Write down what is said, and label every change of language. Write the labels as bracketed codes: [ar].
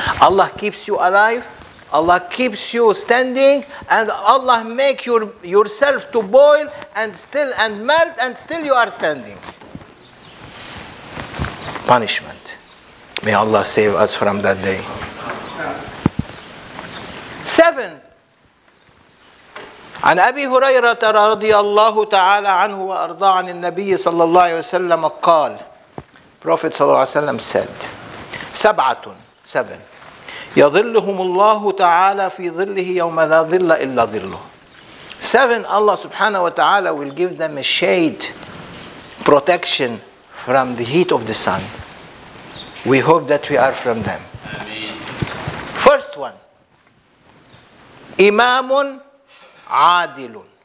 [en] Allah keeps you alive. Allah keeps you standing, and Allah make yourself to boil and still and melt, and still you are standing. Punishment. May Allah save us from that day. 7. [ar] عن أبي هريرة رضي الله تعالى عنه وأرضى عن النبي صلى الله عليه وسلم قال. [en] Prophet صلى الله عليه وسلم said. 7. [ar] يظلهم الله تعالى في ظله يوم لا ظل إلا ظله. [en] 7. Allah سبحانه وتعالى will give them a shade, protection from the heat of the sun. We hope that we are from them. Ameen. First one, Imamun Adilun.